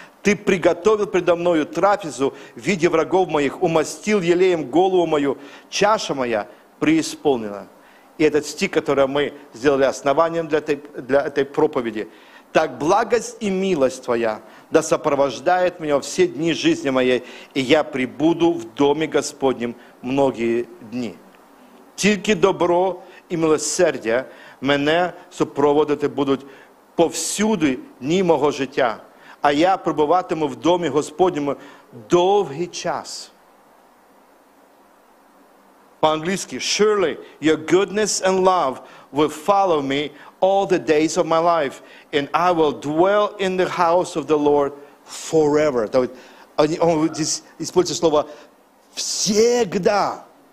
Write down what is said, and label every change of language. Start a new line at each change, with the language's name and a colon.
Russian: Ты приготовил предо мною трапезу в виде врагов моих, умастил елеем голову мою, чаша моя преисполнена. И этот стих, который мы сделали основанием для этой проповеди. Так благость и милость твоя да сопровождает меня все дни жизни моей, и я пребуду в доме Господнем многие дни.
Ukrainian: Тільки добро и милосердие мене супроводити будуть повсюди дні мого життя, а я пребуватиму в домі Господньому довгий час. По-англійськи,
English: surely your goodness and love will follow me all the days of my life, and I will dwell in the house of the Lord forever.
Russian: Он здесь использует слово «всегда».